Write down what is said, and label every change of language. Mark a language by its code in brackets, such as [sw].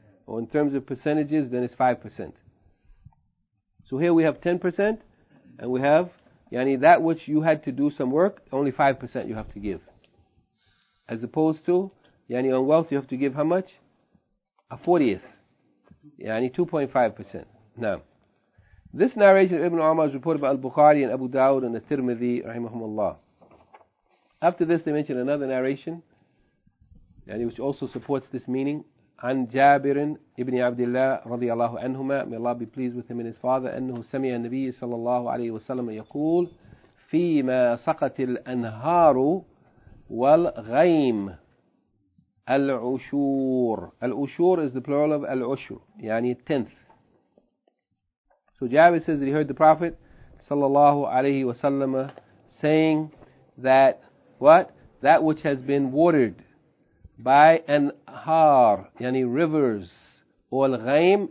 [en] Or in terms of percentages, then it's 5%. So here we have 10%, and we have yani that which you had to do some work, only 5% you have to give, as opposed to yani on wealth you have to give how much? A 40th. Yani 2.5%. Naam. This narration of Ibn Umar is reported by Al-Bukhari and Abu Dawud and At-Tirmidhi rahimahumullah. After this they mention another narration, yani which also supports this meaning, [ar] عن جابر ابن عبد الله رضي الله عنهما, [en] may Allah be pleased with him and his father, [ar] أنه سمع النبي صلى الله عليه وسلم يقول فيما سقت الأنهار والغيم العشور. [en] العشور is the plural of العشر, يعني tenth. So Jabir says that he heard the Prophet صلى الله عليه وسلم saying that what? That which has been watered by an har, yani rivers, or al-ghaym.